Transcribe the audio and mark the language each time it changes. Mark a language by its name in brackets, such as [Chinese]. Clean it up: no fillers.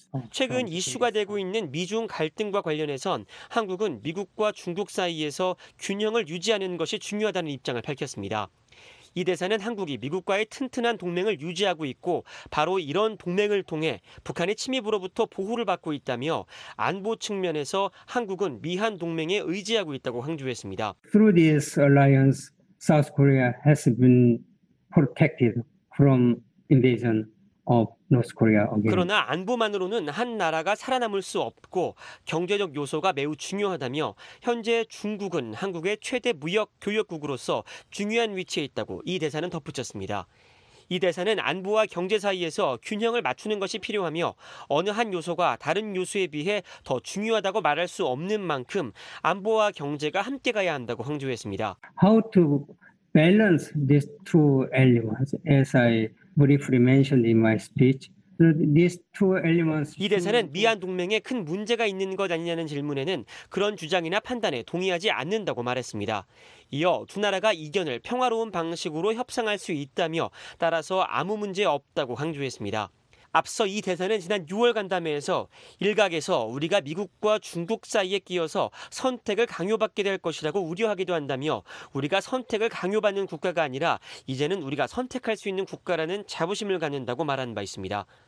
[Korean] 최근 이슈가 되고 있는 미중 갈등과 관련해선 한국은 미국과 중국 사이에서 균형을 유지하는 것이 중요하다는 입장을 밝혔습니다. 이 대사는 한국이 미국과의 튼튼한 동맹을 유지하고 있고 바로 이런 동맹을 통해 북한의 침입으로부터 보호를 받고 있다며 안보 측면에서 한국은 미한 동맹에 의지하고 있다고 강조했습니다. [English] Through this alliance, South Korea has been protected from invasion of North Korea again. [Korean] 그러나 안보만으로는 한 나라가 살아남을 수 없고 경제적 요소가 매우 중요하다며 현재 중국은 한국의 최대 무역 교역국으로서 중요한 위치에 있다고 이 대사는 덧붙였습니다. 이 대사는 안보와 경제 사이에서 균형을 맞추는 것이 필요하며 어느 한 요소가 다른 요소에 비해 더 중요하다고 말할 수 없는 만큼 안보와 경제가 함께 가야 한다고 강조했습니다. [English] How to balance these two elements as I briefly mentioned in my speech. These two elements. [Korean] 이 대사는 미한 동맹에 큰 문제가 있는 것 아니냐는 질문에는 그런 주장이나 판단에 동의하지 않는다고 말했습니다. 이어 두 나라가 이견을 평화로운 방식으로 협상할 수 있다며 따라서 아무 문제 없다고 강조했습니다. 앞서 이 대사는 지난 6월 간담회에서 일각에서 우리가 미국과 중국 사이에 끼어서 선택을 강요받게 될 것이라고 우려하기도 한다며 우리가 선택을 강요받는 국가가 아니라 이제는 우리가 선택할 수 있는 국가라는 자부심을 갖는다고 말한 바 있습니다.